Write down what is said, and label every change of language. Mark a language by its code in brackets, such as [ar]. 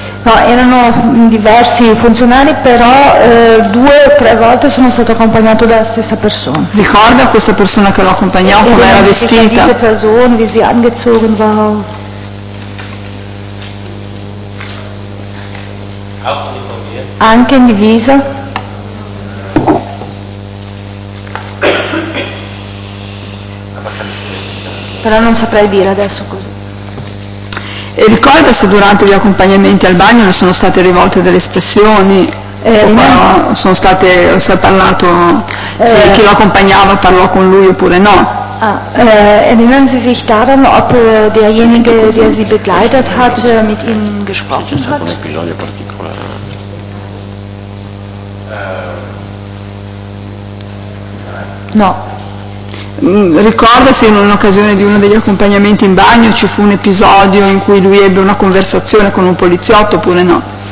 [it] No, erano diversi funzionari, però due o tre volte sono stato accompagnato dalla stessa persona. Ricorda questa persona che l'ho accompagnato, come era vestita? [de] Diese Person, wie sie angezogen war. [it] Anche in divisa. Però non saprei dire adesso così. E ricorda se durante gli accompagnamenti al bagno le sono state rivolte delle espressioni? Sono state, se ha parlato, se chi lo accompagnava parlò con lui oppure no? [de] Erinnern Sie sich daran, ob derjenige, der Sie begleitet hat, mit Ihnen gesprochen hat? [it] C'è stato un episodio particolare. No. Ricorda se in un'occasione di uno degli accompagnamenti in bagno ci fu un episodio in cui lui ebbe una conversazione con un poliziotto oppure no?